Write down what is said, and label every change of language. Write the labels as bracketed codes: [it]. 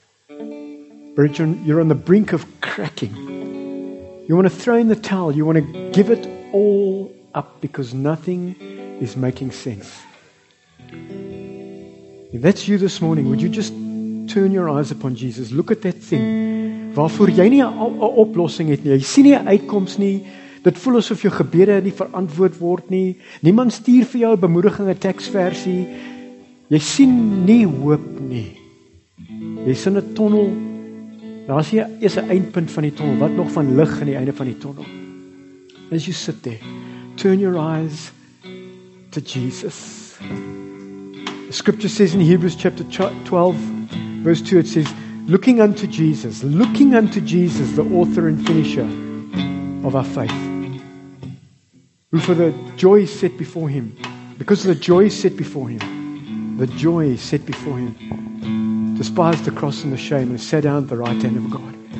[en] But you're on the brink of cracking. You want to throw in the towel. You want to give it all up because nothing is making sense. If that's you this morning, would you just turn your eyes upon Jesus? Look at that thing. [af] Waarvoor jy nie 'n oplossing het nie. Jy sien nie 'n uitkoms nie. Dit voel asof jou gebede nie verantwoord word nie. Niemand stuur vir jou 'n bemoedigende teksversie. Jy sien nie hoop nie. Jy sien 'n tunnel. Daar's hier is 'n eindpunt van die tunnel. Wat nog van lig aan die einde van die tunnel? [en] As you sit there, turn your eyes to Jesus. The scripture says in Hebrews chapter 12, verse 2, it says, looking unto Jesus, the author and finisher of our faith, who for the joy set before him, despised the cross and the shame and sat down at the right hand of God.